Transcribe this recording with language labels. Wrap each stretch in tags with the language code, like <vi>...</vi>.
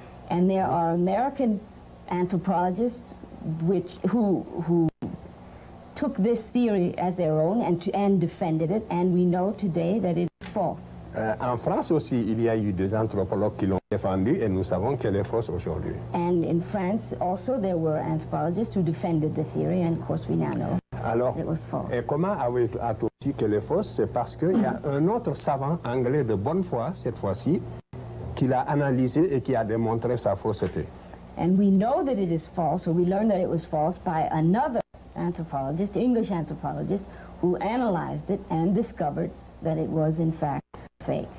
<en>And there are American anthropologists who took this theory as their own and defended it, and we know today that it is false.</en> <fr>En France aussi, il y a eu des anthropologues qui l'ont défendu et nous savons qu'elle est fausse aujourd'hui.</fr> <en>And in France also there were anthropologists who defended the theory, and of course we now know</en> <fr>alors,</fr> <en>it was false.</en> <fr>Et comment a-t-on dit qu'elle est fausse? C'est parce qu'il y a un autre savant anglais de bonne foi, cette fois-ci, qui l'a analysé et qui a démontré sa fausseté.</fr> <en>And we know that it is false, or we learned that it was false, by another anthropologist, English anthropologist, who analyzed it and discovered that it was in fact fake.</en>